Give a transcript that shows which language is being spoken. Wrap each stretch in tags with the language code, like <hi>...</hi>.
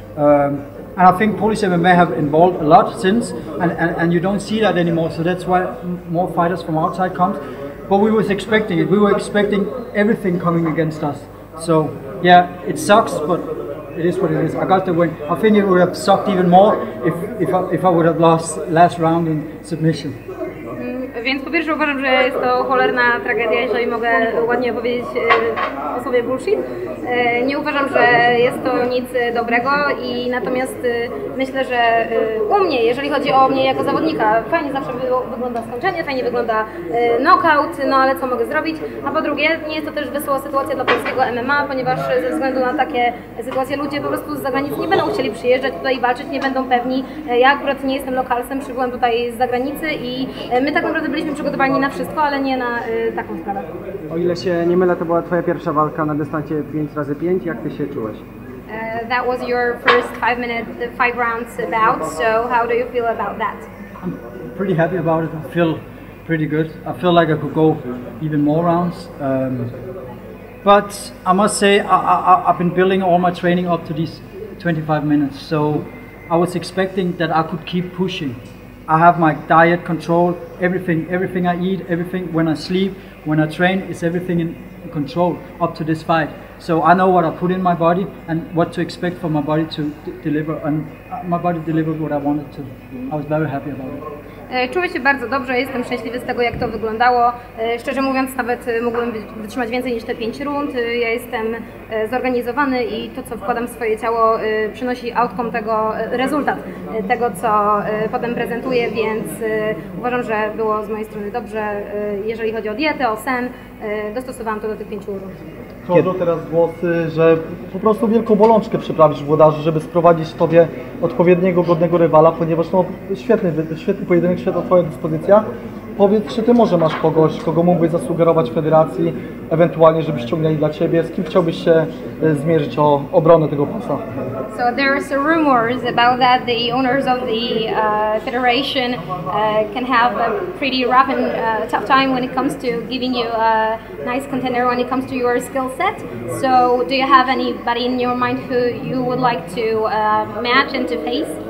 <en>And I think Polish MMA have involved a lot since, and you don't see that anymore, so that's why more fighters from outside comes. But we were expecting it. We were expecting everything coming against us. So, yeah, it sucks, but it is what it is. I got the win. I think it would have sucked even more if I would have lost last round in submission.</en> <pl>Więc po pierwsze uważam, że jest to cholerna tragedia, jeżeli mogę ładnie powiedzieć o sobie bullshit. Nie uważam, że jest to nic dobrego, i natomiast myślę, że u mnie, jeżeli chodzi o mnie jako zawodnika, fajnie zawsze wygląda skończenie, fajnie wygląda knockout, no ale co mogę zrobić? A po drugie, nie jest to też wesoła sytuacja dla polskiego MMA, ponieważ ze względu na takie sytuacje ludzie po prostu z zagranicy nie będą chcieli przyjeżdżać tutaj i walczyć, nie będą pewni. Ja akurat nie jestem lokalcem, przybyłem tutaj z zagranicy i my tak naprawdę byliśmy przygotowani na wszystko, ale nie na taką sprawę. O ile się nie mylę, to była twoja pierwsza walka na dystansie 5x5. Jak ty się czułeś?</pl> <en>That was your first five rounds about. So how do you feel about that? I'm pretty happy about it. I feel pretty good. I feel like I could go even more rounds. But I must say, I've been building all my training up to these 25 minutes. So I was expecting that I could keep pushing. I have my diet control, everything I eat, everything when I sleep, when I train, is everything in control up to this fight. So I know what I put in my body and what to expect for my body to deliver, and my body delivered what I wanted to. I was very happy about it.</en> <pl>Czuję się bardzo dobrze, jestem szczęśliwy z tego, jak to wyglądało. Szczerze mówiąc, nawet mogłem wytrzymać więcej niż te 5 rund. Ja jestem zorganizowany i to, co wkładam w swoje ciało, przynosi outcome tego, rezultat tego, co potem prezentuję, więc uważam, że było z mojej strony dobrze, jeżeli chodzi o dietę, o sen. Dostosowałam to do tych 5 rund. Chodzą teraz głosy, że po prostu wielką bolączkę przyprawisz włodarzy, żeby sprowadzić tobie odpowiedniego, godnego rywala, ponieważ no, świetny pojedynek, świetna twoja dyspozycja. Powiedz, czy ty może masz kogoś, kogo mógłbyś zasugerować federacji, ewentualnie, żeby ściągnęli dla ciebie, z kim chciałbyś się zmierzyć o obronę tego pasa?</pl> <en>So there are some rumors about that the owners of the federation can have a pretty rough and tough time when it comes to giving you a nice contender when it comes to your skill set. So do you have anybody in your mind who you would like to match and to face?</en>